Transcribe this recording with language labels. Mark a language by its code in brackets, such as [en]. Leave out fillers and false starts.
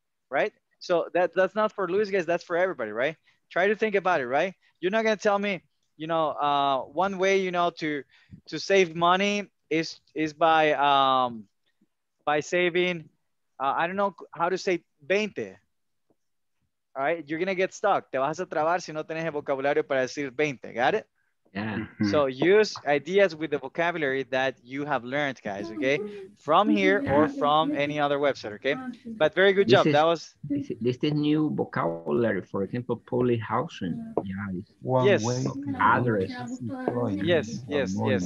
[en] Right? So that's not for Luis, guys. That's for everybody, right? Try to think about it, right? You're not going to tell me, you know, one way, you know, to save money is by saving, I don't know how to say 20. All right, you're going to get stuck. [es] Te vas a trabar si no tenés el vocabulario para decir 20. [en] Got it? Yeah. So use ideas with the vocabulary that you have learned, guys, okay? From here or from any other website, okay? But very good job. This is new vocabulary, for example, poly housing. Yes. Yes.